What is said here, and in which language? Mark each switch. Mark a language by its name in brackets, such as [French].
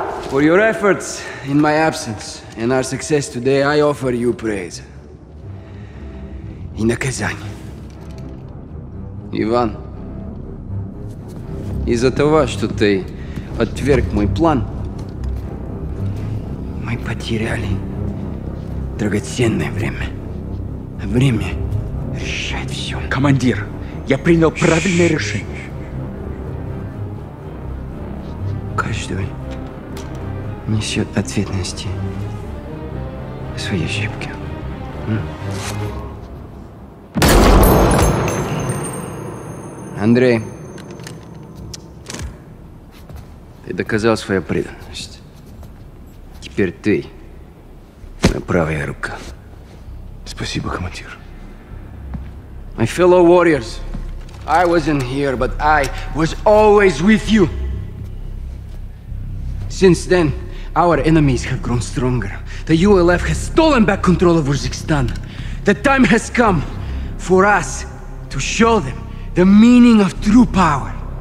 [English] For your efforts in my absence and our success today, I offer you praise. [Russian] И наказание. Иван, из-за того, что ты отверг мой план, Мы потеряли драгоценное время. Время решает все. Командир, я принял правильное решение. Кажется. каждый несет ответственности за свои ошибки. Андрей, ты доказал свою преданность. Теперь ты моя правая рука. Спасибо, командир. [English] My fellow warriors, I wasn't here, but I was always with you. Since then, our enemies have grown stronger. The ULF has stolen back control of Uzbekistan. The time has come for us to show them the meaning of true power.